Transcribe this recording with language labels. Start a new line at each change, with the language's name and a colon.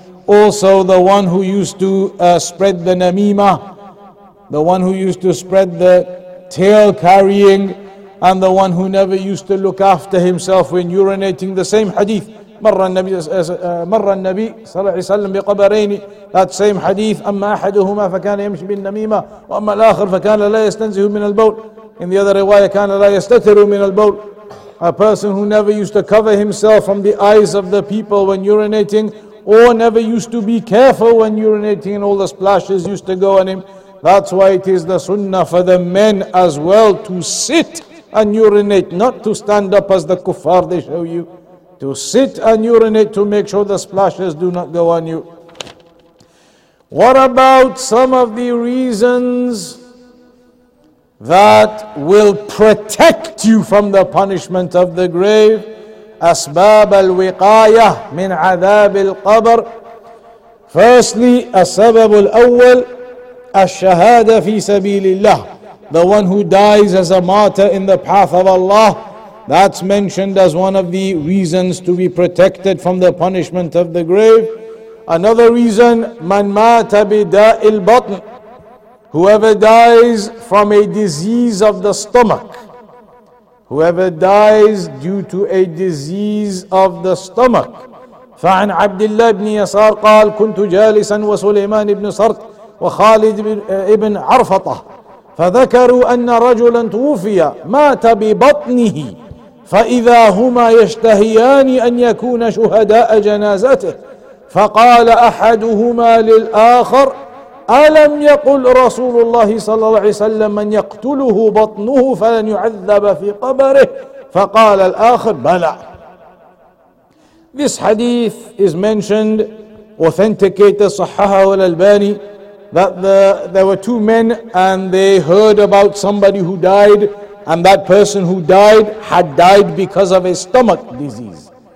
English: Also the one who used to spread the namima, the one who used to spread the tail carrying, and the one who never used to look after himself when urinating, the same hadith.
Arabic: مر النبي صلى الله عليه وسلم بقبرين
English: that same hadith.
Arabic: أما أحدهما فكان يمشي بالنميمة وأما الآخر فكان لا يستنزه من البول.
English: In the other riwayah,
Arabic: كان لا يستتر من البول.
English: A person who never used to cover himself from the eyes of the people when urinating, or never used to be careful when urinating, and all the splashes used to go on him. That's why it is the sunnah for the men as well to sit and urinate, not to stand up as the kuffar they show you. To sit and urinate to make sure the splashes do not go on you. What about some of the reasons that will protect you from the punishment of the grave?
Arabic: أسباب الوقاية من عذاب القبر.
English: Firstly,
Arabic: السبب الأول, الشهادة في سبيل الله.
English: The one who dies as a martyr in the path of Allah. That's mentioned as one of the reasons to be protected from the punishment of the grave. Another reason,
Arabic: man mata bida'i al-batn,
English: whoever dies from a disease of the stomach. Whoever dies due to a disease of the stomach.
Arabic: فعن عبد الله بن يسار قال كنت جالسا وسليمان بن سرط وخالد بن عرفطة فذكروا أن رجلا توفي مات ببطنه فإذا هما يشتهيان أن يكون شهداء جنازته فقال أحدهما للآخر ألم يقل رسول الله صلى الله عليه وسلم من يقتله بطنه فلن يعذب في قبره فقال الآخر بلى.
English: This hadith is mentioned, authenticated,
Arabic: صححه الألباني,
English: that there were two men and they heard about somebody who died. And that person who died had died because of a stomach disease.